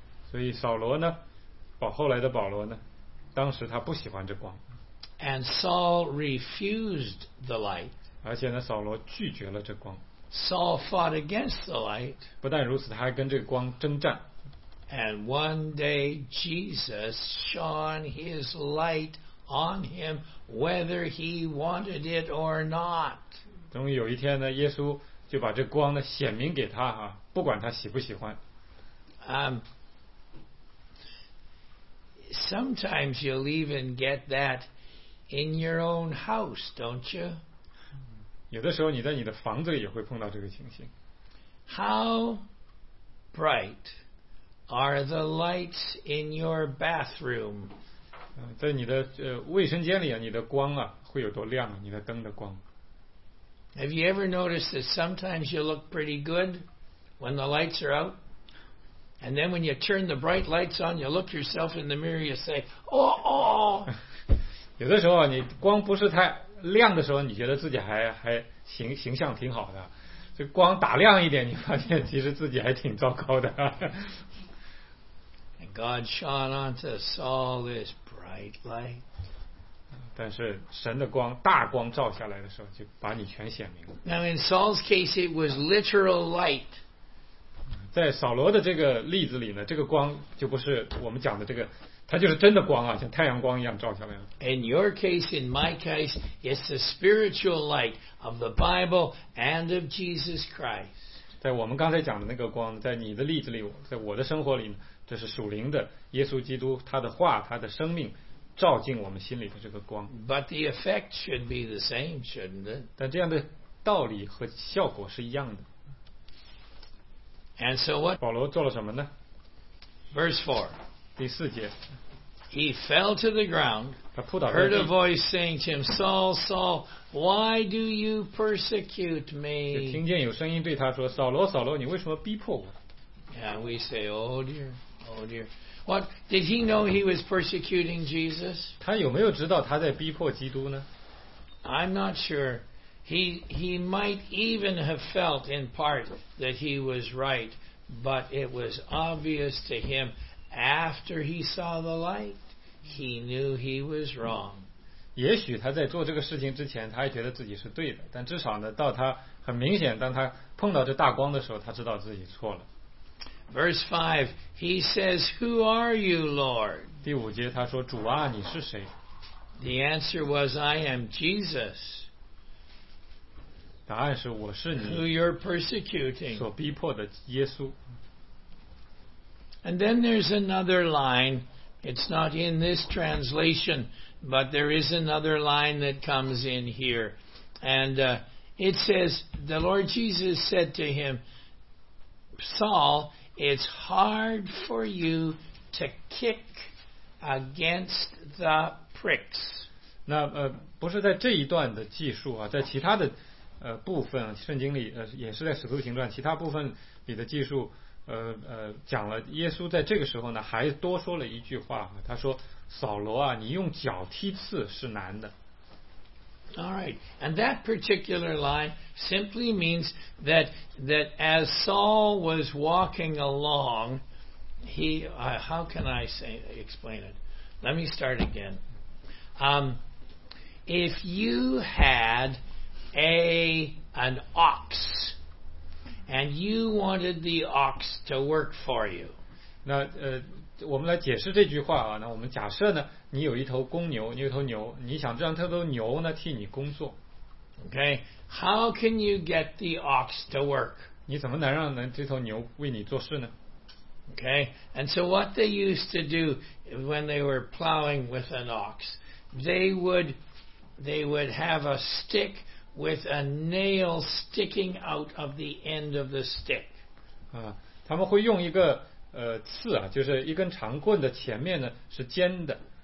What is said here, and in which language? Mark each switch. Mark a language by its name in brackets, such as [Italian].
[Chinese] 所以扫罗呢，后来的保罗呢，当时他不喜欢这光。 [English] And Saul refused the light. [Chinese] 而且呢，扫罗拒绝了这光。 [English] Saul fought against the light. [Chinese] 不但如此，他还跟这光征战。 [English] And one day Jesus shone his light on him whether he wanted it or not. [Chinese] 终于有一天呢，耶稣就把这光呢显明给他啊，不管他喜不喜欢。 [English] Sometimes you'll even get that in your own house, don't you? [Chinese] 有的时候你在你的房子里也会碰到这个情形。 [English] How bright are the lights in your bathroom? [Chinese] 在你的卫生间里啊，你的光啊会有多亮啊？你的灯的光。 [English] Have you ever noticed that sometimes you look pretty good when the lights are out, and then when you turn the bright lights on, you look yourself in the mirror, you say, "Oh, oh." [Chinese] 有的时候你光不是太亮的时候，你觉得自己还形象挺好的。这光打亮一点，你发现其实自己还挺糟糕的。 [English] And God shone onto Saul this bright light. [Chinese] 但是神的光大光照下来的时候，就把你全显明了。 [English] Now in Saul's case, it was literal light. [Chinese] 在扫罗的这个例子里呢，这个光就不是我们讲的这个，它就是真的光啊，像太阳光一样照下来了。 [English] In your case, in my case, it's the spiritual light of the Bible and of Jesus Christ. [Chinese] 在我们刚才讲的那个光，在你的例子里，在我的生活里呢，这是属灵的耶稣基督他的话，他的生命照进我们心里的这个光。 [English] But the effect should be the same, shouldn't it? [Chinese] 但这样的道理和效果是一样的。 [English] And so what? [Chinese] 保罗做了什么呢？ [English] Verse 4. [Chinese] 第四节。 [English] He fell to the ground. [Chinese] 他扑倒在地。 [English] Heard a voice saying to him, Saul, Saul, why do you persecute me? [Chinese] 就听见有声音对他说，扫罗，扫罗，你为什么逼迫我？ [English] And we say, oh dear, oh dear. What did he know he was persecuting Jesus? [Chinese] 他有没有知道他在逼迫基督呢？ [English] I'm not sure. He might even have felt in part that he was right, but it was obvious to him after he saw the light, he knew he was wrong. [Chinese] 也许他在做这个事情之前，他还觉得自己是对的，但至少呢，到他很明显，当他碰到这大光的时候，他知道自己错了。 [English] Verse 5, he says, Who are you, Lord? [Chinese] 第五节他说，主啊，你是谁？ [English] The answer was, I am Jesus. [Chinese] 答案是，我是你。 [English] Who you're persecuting. [Chinese] 所逼迫的耶稣。 [English] And then there's another line. It's not in this translation, but there is another line that comes in here. And it says, the Lord Jesus said to him, Saul,It's hard for you to kick against the pricks. [Chinese] 那不是在这一段的记述啊，在其他的部分圣经里也是在使徒行传其他部分里的记述讲了耶稣在这个时候呢还多说了一句话，他说扫罗啊，你用脚踢刺是难的。 [English] All right, and that particular line simply means that as Saul was walking along, how can I explain it? Let me start again. If you had an ox and you wanted the ox to work for you, [Chinese] 那我们来解释这句话啊。那我们假设呢？你有一头公牛，你有一头牛，你想让这头牛呢替你工作。 [English] Okay, how can you get the ox to work? [Chinese] 你怎么能让这头牛为你做事呢？ [English] Okay, and so what they used to do when they were plowing with an ox, they would have a stick with a nail sticking out of the end of the stick. [Chinese] 他们会用一个刺啊，就是一根长棍的前面呢是尖的。